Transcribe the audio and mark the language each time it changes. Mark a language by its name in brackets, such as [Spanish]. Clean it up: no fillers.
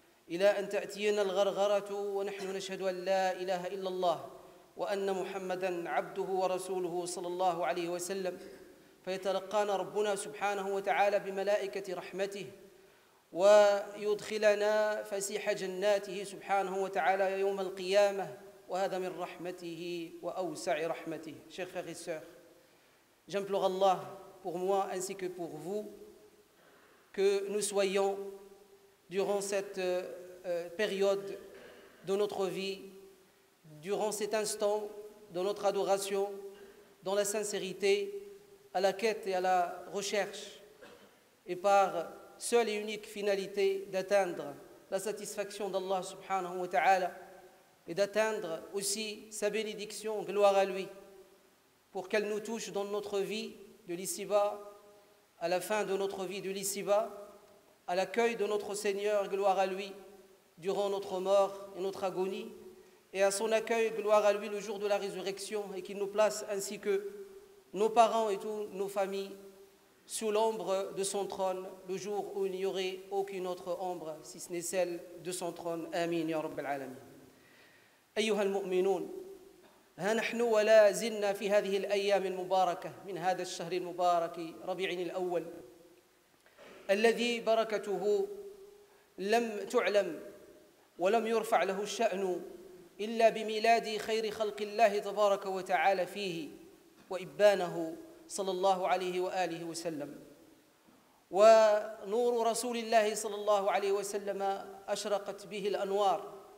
[Arabic] إلى أن تأتينا الغرغرة ونحن نشهد أن لا إله إلا الله وأن محمدًا عبده ورسوله صلى الله عليه وسلم، فيتلقانا ربنا سبحانه وتعالى بملائكة رحمته ويدخلنا فسيح جناته سبحانه وتعالى يوم القيامة، وهذا من رحمته وأوسع رحمته. شيخ أخي السيخ، جنبلغ الله [French] pour moi ainsi que pour vous que nous soyons durant cette période de notre vie, durant cet instant de notre adoration, dans la sincérité, à la quête et à la recherche, et par seule et unique finalité d'atteindre la satisfaction d'Allah subhanahu wa ta'ala, et d'atteindre aussi sa bénédiction, gloire à lui, pour qu'elle nous touche dans notre vie de l'ici-bas, à la fin de notre vie de l'ici-bas, à l'accueil de notre Seigneur, gloire à lui, durant notre mort et notre agonie, et à son accueil, gloire à lui, le jour de la résurrection, et qu'il nous place ainsi que nos parents et toutes nos familles sous l'ombre de son trône, le jour où il n'y aurait aucune autre ombre, si ce n'est celle de son trône. [Arabic] Amin, ya Rabbi al-Alamin. Ayyuhal mu'minoun, ها نحن ولا زلنا في هذه الأيام المباركة من هذا الشهر المبارك ربيع الأول الذي بركته لم تعلم ولم يرفع له الشأن إلا بميلاد خير خلق الله تبارك وتعالى فيه وإبانه صلى الله عليه وآله وسلم، ونور رسول الله صلى الله عليه وسلم أشرقت به الأنوار،